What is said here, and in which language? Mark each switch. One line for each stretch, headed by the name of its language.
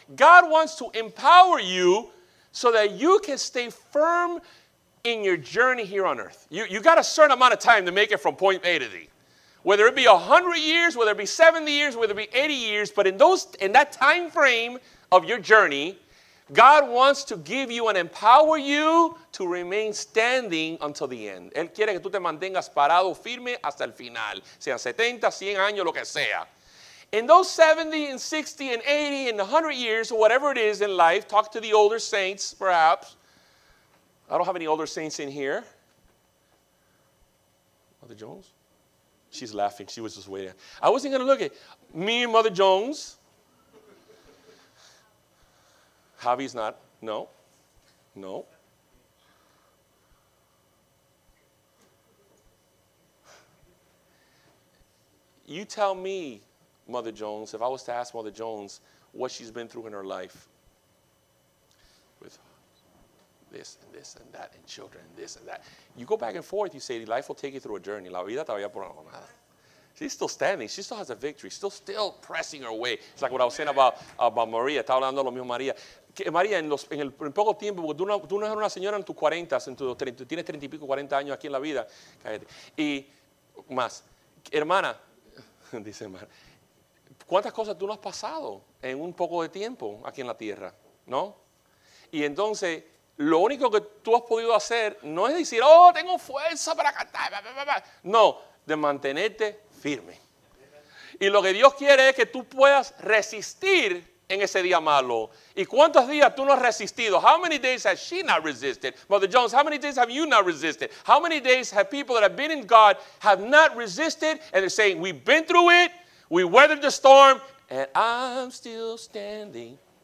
English: God wants to empower you so that you can stay firm in your journey here on earth. You got a certain amount of time to make it from point A to Z. Whether it be 100 years, whether it be 70 years, whether it be 80 years, but in that time frame of your journey, God wants to give you and empower you to remain standing until the end.
Spanish: Él quiere que tú te mantengas parado, firme hasta el final, sean 70, 100 años, lo que sea.
English: In those 70 and 60 and 80 and 100 years, or whatever it is in life, talk to the older saints, perhaps. I don't have any older saints in here. Mother Jones? She's laughing. She was just waiting. I wasn't going to look at me and Mother Jones. Javi's not. No. No. You tell me, Mother Jones, if I was to ask Mother Jones what she's been through in her life with this and this and that and children and this and that. You go back and forth. You say life will take you through a journey.
Spanish: La vida te va a poner una.
English: She's still standing. She still has a victory. Still pressing her way. It's like what I was saying about Maria.
Spanish: Estaba hablando lo mismo, Maria. Maria, en poco tiempo, tú no eres una señora en tus 40, tienes 30 y pico, 40 años aquí en la vida. Cállate. Y más. Hermana, dice hermana, ¿cuántas cosas tú no has pasado en un poco de tiempo aquí en la tierra? ¿No? Y entonces, lo único que tú has podido hacer no es decir, oh, tengo fuerza para cantar. No, de mantenerte firme. Y lo que Dios quiere es que tú puedas resistir en ese día malo. ¿Y cuántos días tú no has resistido?
English: How many days has she not resisted? Mother Jones, how many days have you not resisted? How many days have people that have been in God have not resisted? And they're saying, we've been through it, we weathered the storm, and I'm still standing.